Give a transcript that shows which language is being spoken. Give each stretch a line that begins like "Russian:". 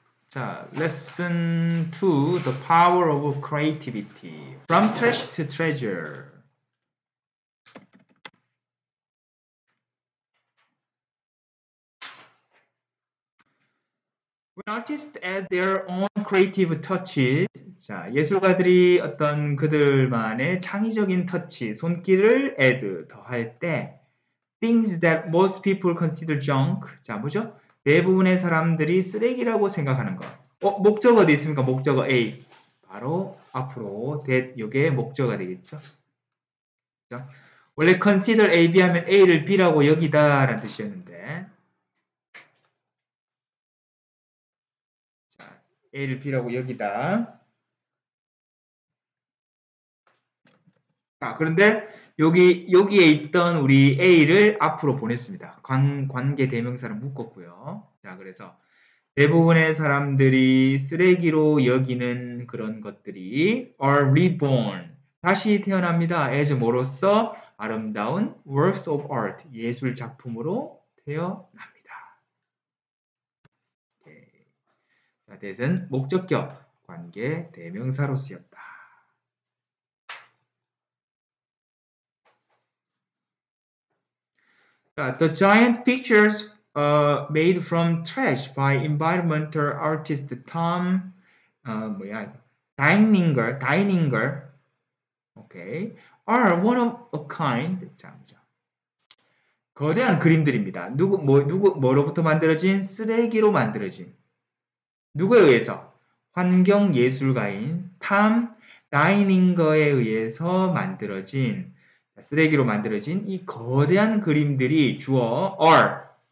English: 자, lesson 2, the power of creativity. From trash to treasure. 아티스트 add their own creative touches.
Korean: 자, 예술가들이 어떤 그들만의 창의적인 터치, 손길을 add 더할 때,
English: things that most people consider junk.
Korean: 자, 뭐죠? 대부분의 사람들이 쓰레기라고 생각하는 것. 목적어 어디 있습니까? 목적어 A. 바로 앞으로 that 이게 목적어가 되겠죠. 그렇죠? 원래 consider A, B 하면 A를 B라고 여기다라는 뜻이었는데. A를 B라고 여기다. 자, 그런데 여기에 있던 우리 A를 앞으로 보냈습니다. 관계 대명사를 묶었고요. 자, 그래서 대부분의 사람들이 쓰레기로 여기는 그런 것들이
English: are reborn.
Korean: 다시 태어납니다. as 뭐로써 아름다운 works of art. 예술 작품으로 태어납니다. 자, that은 목적격, 관계, 대명사로 쓰였다.
English: 자, the giant pictures made from trash by environmental artist Tom, 뭐야, Deininger, okay, are one of a kind.
Korean: 자, 거대한 그림들입니다. 뭐로부터 만들어진? 쓰레기로 만들어진. 누구에 의해서? 환경 예술가인 탐 다이닝거에 의해서 만들어진, 쓰레기로 만들어진 이 거대한 그림들이 주어 are.